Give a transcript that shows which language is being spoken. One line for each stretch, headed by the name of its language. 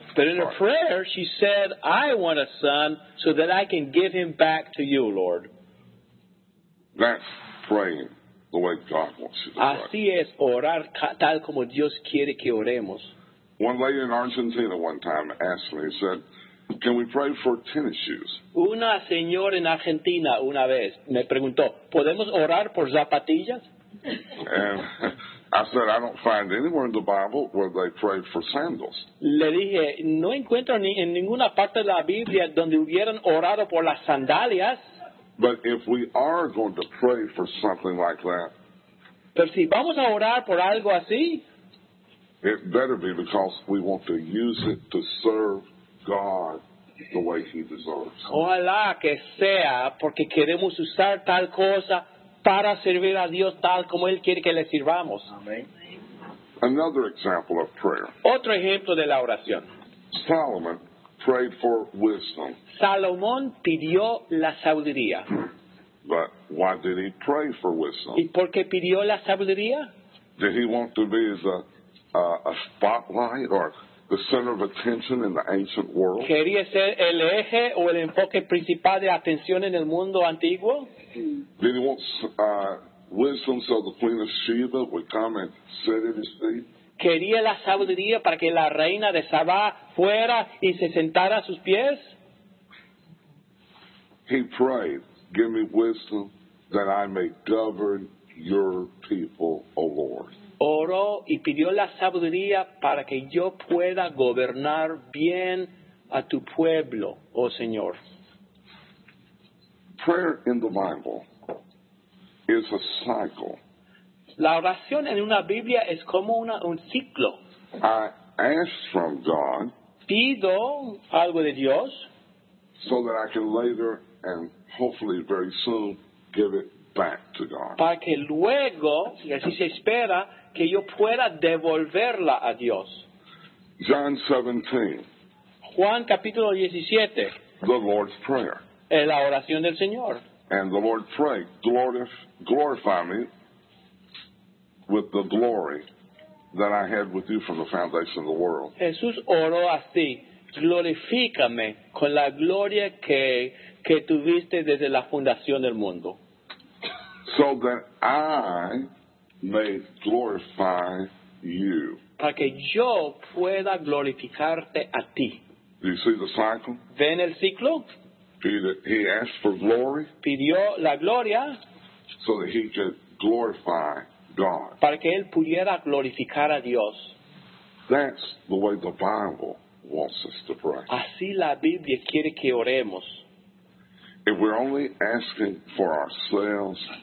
English: But in her prayer, she said, I want a son so that I can give him back to you, Lord. That's praying the way God wants you to pray.
Spanish: Así es, orar tal como Dios quiere que oremos.
English: One lady in Argentina one time asked me, said, can we pray for tennis shoes?
Spanish: Una señora en Argentina una vez me preguntó, ¿podemos orar por zapatillas?
English: And I said, I don't find anywhere in the Bible where they pray for sandals.
Spanish: Le dije, no encuentro ni en ninguna parte de la Biblia donde hubieran orado por las sandalias.
English: But if we are going to pray for something like that,
Spanish: pero si vamos a orar por algo así,
English: it better be because we want to use it to serve God the way he deserves.
Spanish: Ojalá que sea porque queremos usar tal cosa para servir a Dios tal como él quiere que le sirvamos.
English: Amen. Another example of prayer.
Spanish: Otro ejemplo de la oración.
English: Solomon prayed for wisdom.
Spanish: Salomón pidió la sabiduría.
English: But why did he pray for wisdom?
Spanish: ¿Y por qué pidió la sabiduría?
English: Did he want to be a spotlight or the center of attention in the ancient world?
Spanish: ¿Quería ser el eje o el enfoque principal de atención en el mundo antiguo?
English: Did he want wisdom so the Queen of Sheba would come and sit at his feet?
Spanish: ¿Quería la sabiduría para que la reina de Sabá fuera y se sentara a sus pies?
English: He prayed, give me wisdom that I may govern your people, O Lord.
Spanish: Oró y pidió la sabiduría para que yo pueda gobernar bien a tu pueblo, oh Señor.
English: Prayer in the Bible is a cycle.
Spanish: La oración en una Biblia es como un ciclo.
English: I ask from God.
Spanish: Pido algo de Dios.
English: So that I can later and hopefully very soon give it back to God.
Spanish: Para que luego, y así se espera, que yo pueda devolverla a Dios.
English: John 17.
Spanish: Juan capítulo 17.
English: The Lord's Prayer.
Spanish: La oración del Señor.
English: And the Lord prayed, glorify me with the glory that I had with you from the foundation of the world.
Spanish: Jesús oró así, glorifícame con la gloria que tuviste desde la fundación del mundo.
English: So that I may glorify you.
Spanish: Para que yo pueda glorificarte a ti.
English: Do you see the cycle?
Spanish: ¿Ven el ciclo?
English: He asked for glory.
Spanish: Pidió la gloria.
English: So that he could glorify God.
Spanish: Para que él pudiera glorificar a Dios.
English: That's the way the Bible wants us to pray.
Spanish: Así la Biblia quiere que oremos.
English: If we're only asking for ourselves,